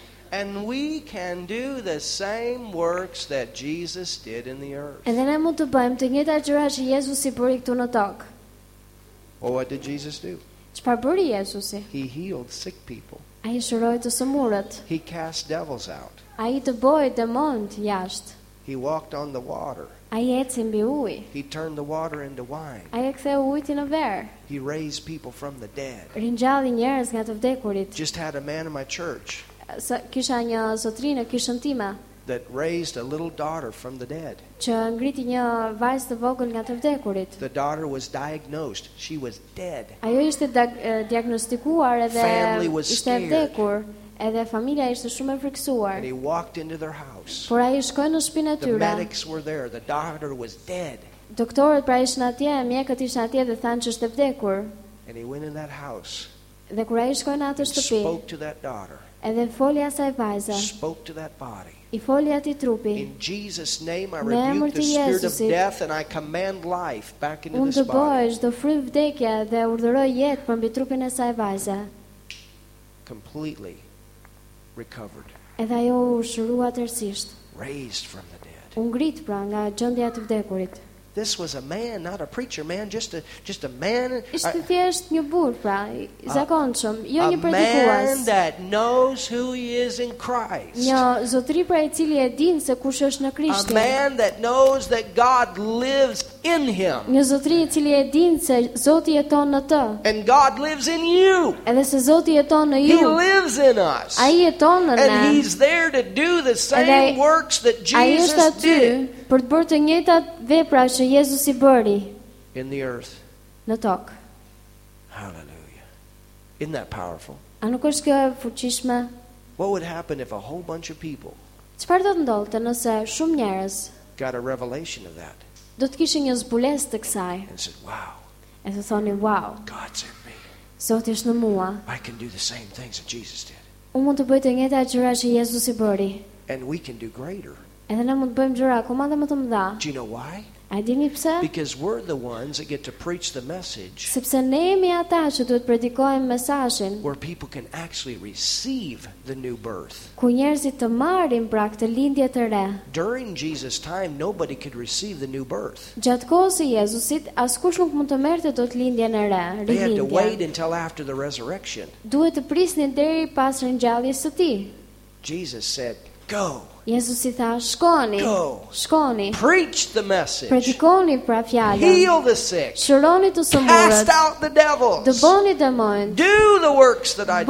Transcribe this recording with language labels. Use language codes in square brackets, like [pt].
[en] And we can do the same works that Jesus did in the earth. [sq] Edhe ne mund të bëjmë të njëjtat gjëra që Jezusi bëri këtu në tokë. [en] Well, what did Jesus do? [sq] Çfarë bëri Jezusi? [en] He healed sick people. [sq] Ai shëroi të sëmurët. [en] He cast devils out. [sq] Ai dëboi demonët jashtë. [en] He walked on the water. [sq] Ai ecë mbi ujë. [en] He turned the water into wine. [sq] Ai ktheu ujin në verë. [en] He raised people from the dead. [sq] Ringjalli njerëz nga të vdekurit. [en] Just had a man in my church. [sq] Kisha një zotrinë në kishën time. [en] that raised a little daughter from the dead. [sq] Që ngriti një vajzë të vogël nga të vdekurit. [en] The daughter was diagnosed. She was dead. [sq] Ajo ishte diagnostikuar edhe ishte e vdekur. Edhe familja ishte shumë e frikësuar. [en] And he walked into their house. [sq] Por ai shkoi në shtëpinë e tyre. [en] The medics were there. The daughter was dead. [sq] Doktorët pra ishin atje, mjekët ishin atje dhe thanë që ishte e vdekur. [en] And he went in that house. [sq] Dhe kur ai shkoi në atë shtëpi. [en] Spoke to that daughter. [sq] Edhe foli asaj vajze. [en] Spoke to that body. [sq] I foli atij trupi. [en] In Jesus name I rebuke the [sq] Jesusit, [en] spirit of death and I command life back into this body. [sq] Unë do fryj vdekje dhe urdhëroj jetë përmbi trupin e saj vajze. [en] Completely recovered. [sq] Edhe ajo u shërua tërësisht. [en] Raised from the dead. [sq] U ngrit pra nga gjendja e vdekurit. [en] This was a man, not a preacher man, just a man. [sq] Ishte thjesht një burr pra, i zakonshëm, jo një predikues. [en] A man that knows who he is in Christ. [sq] Një zotëri pra i cili e din se kush është në Krisht. [en] A man that knows that God lives in him. [sq] Një zotëri i cili e din se Zoti jeton në të. [en] And God lives in you. [sq] Edhe se Zoti jeton në ju. [en] He lives in us. [sq] Ai jeton në ne. [en] And he's there to do the same works that Jesus did. [sq] Për të bërë të njëjtat vepra që Jezusi bëri. [en] In the earth. [sq] Në tokë. [en] Hallelujah. Isn't that powerful? [sq] A nuk është kjo e fuqishme? [en] What would happen if a whole bunch of people? [sq] Çfarë do të ndodhte nëse shumë njerëz? [en] Got a revelation of that. [sq] Do të kishin një zbulesë të kësaj. [en] And said, wow. [sq] E të thonin wow. [en] God's in me. [sq] Zoti është në mua. [en] I can do the same things that Jesus did. [sq] Unë mund të bëj të njëjtat gjëra që Jezusi bëri. [en] And we can do greater. [sq] Edhe ne mund të bëjmë gjëra akoma më të mëdha. [en] Do you know why? [sq] A dini pse? [en] Because we're the ones that get to preach the message. [sq] Sepse ne jemi ata që duhet predikojmë mesazhin. [en] Where people can actually receive the new birth. [sq] Ku njerëzit të marrin pra këtë lindje të re. [en] During Jesus' time nobody could receive the new birth. [sq] Gjatë kohës së Jezusit askush nuk mund të merrte dot lindjen e re. [en] They had to wait until after the resurrection. [sq] Duhet të prisnin deri pas ringjalljes së tij. [en] Jesus said, "Go." [sq] Jezus i tha, shkoni, [en] go, [sq] shkoni. [en] Preach the message. [sq] Predikoni pra fjalën. [en] Heal the sick. [sq] Shëroni të sëmurët. [en] Cast out the devils. [sq] Dëboni demonët. [en] Do the works that I did.